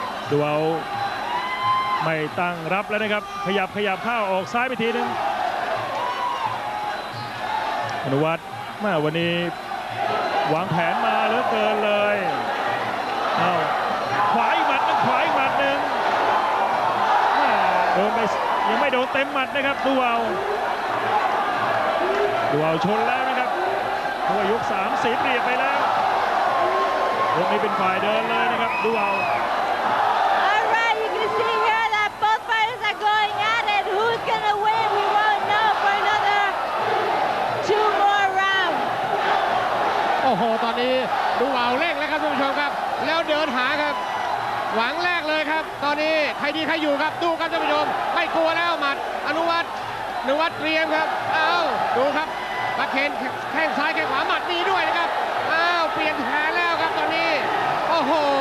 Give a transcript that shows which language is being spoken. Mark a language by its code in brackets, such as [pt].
[th] ดูเอาไม่ตั้งรับแล้วนะครับขยับขยับเข้าออกซ้ายไปทีนึงอนุวัฒน์มาวันนี้วางแผนมาเหลือเกินเลยเอาขวาอีกหมัดนึงขวาอีกหมัดนึงโดนไปยังไม่โดนเต็มหมัดนะครับดูเอาดูเอาชนแล้วนะครับดูเอายก3สีเปรียบไปแล้วยกนี้เป็นฝ่ายเดินเลยนะครับดูเอา [en] Alright you can see here that both fighters are going at it who's gonna win we won't know for another two more [th] โอ้โหตอนนี้ดูเอาเร่งแล้วครับท่านผู้ชมครับแล้วเดินหาครับหวังแรกเลยครับตอนนี้ใครดีใครอยู่ครับดูครับท่านผู้ชมไม่กลัวแล้วหมัดอนุวัฒน์อนุวัฒน์เตรียมครับเอ้าดูครับมาเคนแข้งซ้ายแข้งขวาหมัดดีด้วยนะครับอ้าวเปลี่ยนแผนแล้วครับตอนนี้โอ้โห